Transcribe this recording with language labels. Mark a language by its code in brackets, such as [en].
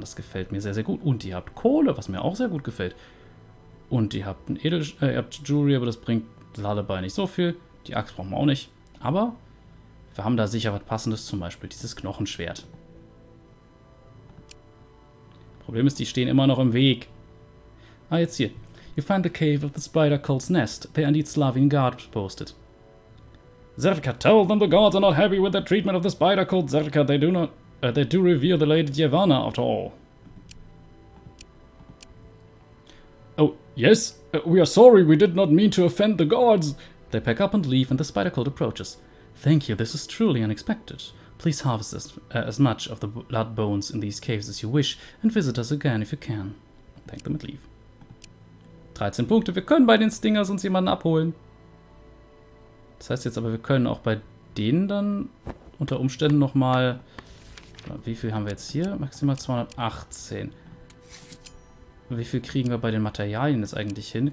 [de] Das gefällt mir sehr, sehr gut. Und ihr habt Kohle, was mir auch sehr gut gefällt. Und ihr habt Jewelry, aber das bringt Lullaby nicht so viel. Die Axt brauchen wir auch nicht. Aber wir haben da sicher was Passendes, zum Beispiel dieses Knochenschwert. Problem ist, die stehen immer noch im Weg. Ah, jetzt hier. [en] You find the cave of the spider cult's nest. They are indeed Slavian guards posted. Zerka, tell them the gods are not happy with their treatment of the spider cult. Zerka, they do revere the Lady Dievana after all. Oh, yes? We are sorry, we did not mean to offend the gods. They pack up and leave, and the spider cult approaches. Thank you, this is truly unexpected. Please harvest as much of the blood bones in these caves as you wish, and visit us again if you can. Thank them and leave. [de] 13 Punkte, wir können bei den Stingers uns jemanden abholen. Das heißt jetzt aber, wir können auch bei denen dann unter Umständen nochmal... Wie viel haben wir jetzt hier? Maximal 218. Wie viel kriegen wir bei den Materialien jetzt eigentlich hin?